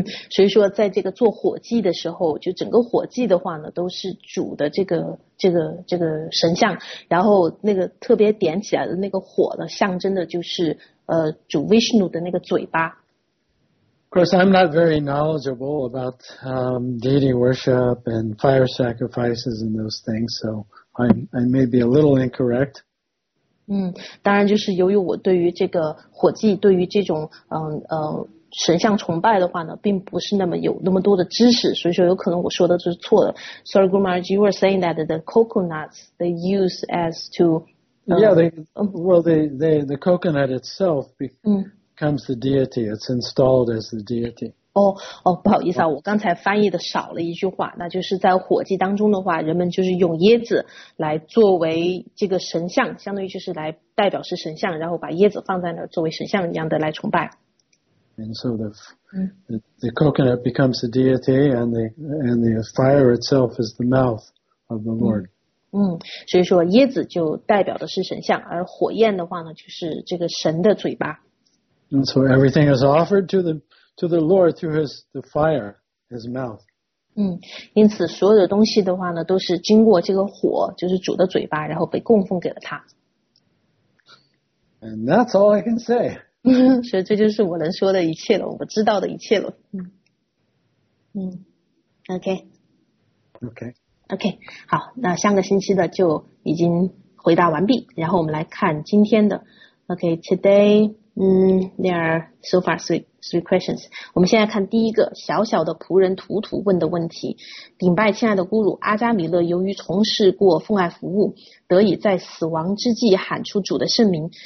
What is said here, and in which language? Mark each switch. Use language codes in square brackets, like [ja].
[zh] 所以说在这个做火祭的时候，就整个火祭的话呢都是主的这个神像，然后那个特别点起来的那个火呢象征的就是主 Vishnu 的那个嘴巴。 [en] Of course, I'm not very knowledgeable about deity worship and fire sacrifices and those things, so I may be a little incorrect. [zh] 当然就是由于我对于这个火祭，对于这种神像崇拜的话呢并不是那么有那么多的知识，所以说有可能我说的是错的。 [en] Sorry Guru Maharaj, you were saying that the coconuts they use as to the coconut itself becomes the deity, it's installed as the deity. [zh] 不好意思啊，我刚才翻译的少了一句话，那就是在火祭当中的话人们就是用椰子来作为这个神像，相当于就是来代表是神像，然后把椰子放在那作为神像一样的来崇拜。 [en] And so the coconut becomes the deity, and the fire itself is the mouth of the Lord. [zh] 所以说椰子就代表的是神像，而火焰的话呢，就是这个神的嘴巴。 [en] And so everything is offered to the to the Lord through the fire, his mouth. [zh] 因此所有的东西的话呢都是经过这个火就是主的嘴巴然后被供奉给了他。 [en] And that's all I can say. [zh] 所以这就是我能说的一切了我知道的一切了。 [en] Okay. [zh] 好那上个星期的就已经回答完毕然后我们来看今天的。 [en] Okay, today,there are so far three questions. [zh] 我们现在看第一个小小的仆人图图问的问题。顶拜亲爱的咕噜阿扎米勒由于从事过奉爱服务得以在死亡之际喊出主的圣名。